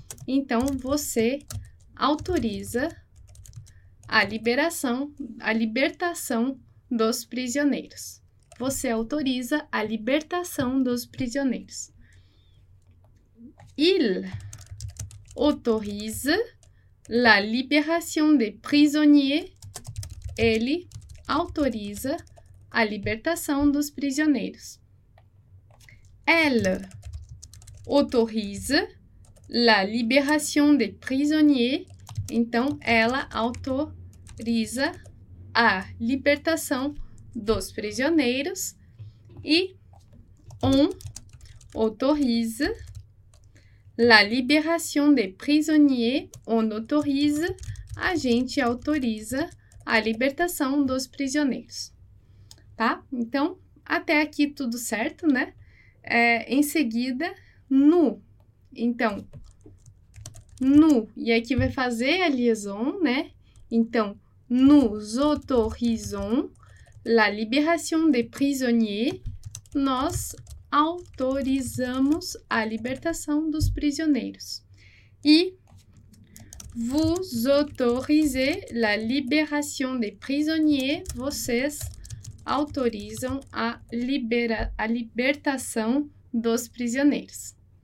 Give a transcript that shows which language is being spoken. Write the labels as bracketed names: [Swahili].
[Portuguese] Então, você autoriza a liberação, a libertação dos prisioneiros, você autoriza a libertação dos prisioneiros. [French] Il autorise la libération des prisonniers. [Portuguese] Ele autoriza a libertação dos prisioneiros. [French] Elle autorise la libération des prisonniers. [Portuguese] Então, ela autoriza a libertação dos prisioneiros. [French] E on autorise la libération des prisonniers. On autorise, [Portuguese] a gente autoriza a libertação dos prisioneiros. Tá? Então, até aqui tudo certo, né? Em seguida, nu. Então, nu. E aqui vai fazer a liaison, né? [French] Então, nous autorisons la libération des prisonniers. [Portuguese] Nós autorizamos a libertação dos prisioneiros. [French] E vous autorisez la libération des prisonniers. [Portuguese] Vocês autorizam a libertação dos prisioneiros.